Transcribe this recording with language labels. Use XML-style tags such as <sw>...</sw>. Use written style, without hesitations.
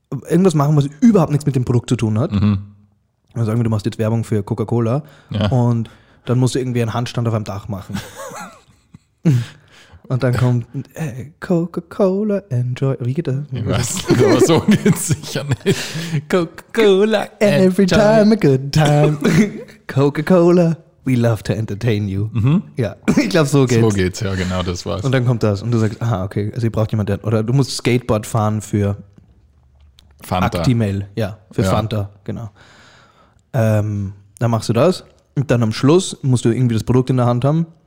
<de>Irgendwas machen, was überhaupt nichts mit dem Produkt zu tun hat. Mhm. Sagen wir, du machst jetzt Werbung für Coca-Cola und dann musst du irgendwie einen Handstand auf einem Dach machen. Und dann kommt,</de> <en>hey, Coca-Cola, enjoy.</en> <de>Wie geht das? Ich weiß nicht, aber so geht es sicher nicht.</de> <en>Coca-Cola, every time a good time. Coca-Cola, we love to entertain you. Mhm.</en> <de>Ja, ich glaube, so geht's. So geht's, ja, genau, das war's. Und dann kommt das und du sagst, aha, okay, also ihr braucht jemanden, oder du musst Skateboard fahren für Fanta. Actimel, ja, für Fanta, genau. Dann machst du das und dann am Schluss musst du irgendwie das Produkt in der Hand haben.</de>